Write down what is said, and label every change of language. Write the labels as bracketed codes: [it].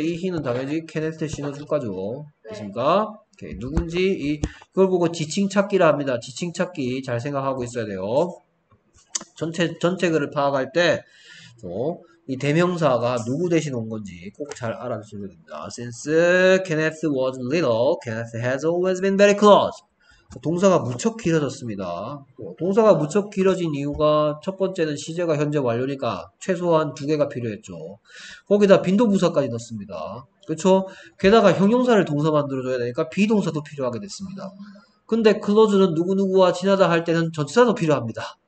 [ko] 이 he는 당연히 케네스 신호주가죠. 됐습니까? 오케이. 누군지 그걸 보고 지칭 찾기라 합니다. 지칭 찾기 잘 생각하고 있어야 돼요. 전체 글을 파악할 때, 이 대명사가 누구 대신 온 건지 꼭잘 알아주셔야 됩니다. [en] Since Kenneth was little, Kenneth has always been very close. [ko] 동사가 무척 길어졌습니다. 동사가 무척 길어진 이유가 첫 번째는 시제가 현재 완료니까 최소한 두 개가 필요했죠. 거기다 빈도부사까지 넣습니다. 그렇죠? 게다가 형용사를 동사 만들어줘야 되니까 비동사도 필요하게 됐습니다. 근데 클로즈는 누구누구와 친하다 할 때는 전치사도 필요합니다.